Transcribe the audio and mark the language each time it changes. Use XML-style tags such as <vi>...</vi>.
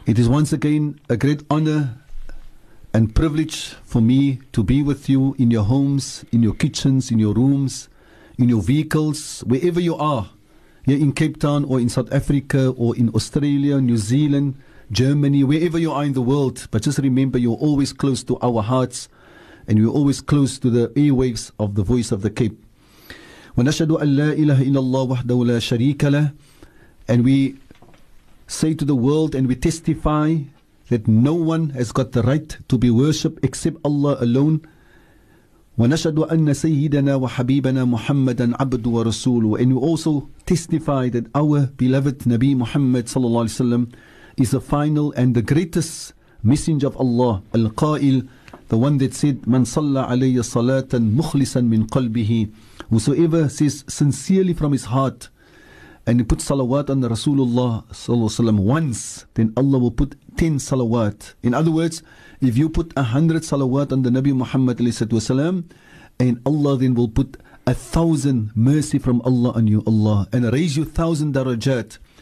<en>It is once again a great honor and privilege for me to be with you in your homes, in your kitchens, in your rooms, in your vehicles, wherever you are, here in Cape Town or in South Africa or in Australia, New Zealand, Germany, wherever you are in the world. But just remember, you're always close to our hearts and you're always close to the airwaves of the Voice of the Cape.</en> <ar>ونشهد أن لا إله إلا الله وحده لا شريك له.</ar> <en>And we say to the world and we testify that no one has got the right to be worshipped except Allah alone.</en> <ar>ونشهد أن سيدنا وحبيبنا محمدا عبد ورسوله.</ar> <en>And we also testify that our beloved Nabi Muhammad</en> <ar>صلى الله عليه وسلم</ar> <en>is the final and the greatest messenger of Allah.</en> <ar>القائل,</ar> <en>the one that said,</en> <ar>من صلى علي صلاة مخلصا من قلبه.</ar> <en>Whosoever says sincerely from his heart and he puts salawat on the Rasulullah once, then Allah will put 10 salawat. In other words, if you put 100 salawat on the Nabi Muhammad wasalam, and Allah then will put 1,000 mercy from Allah on you, Allah, and raise you 1,000 darajat.</en>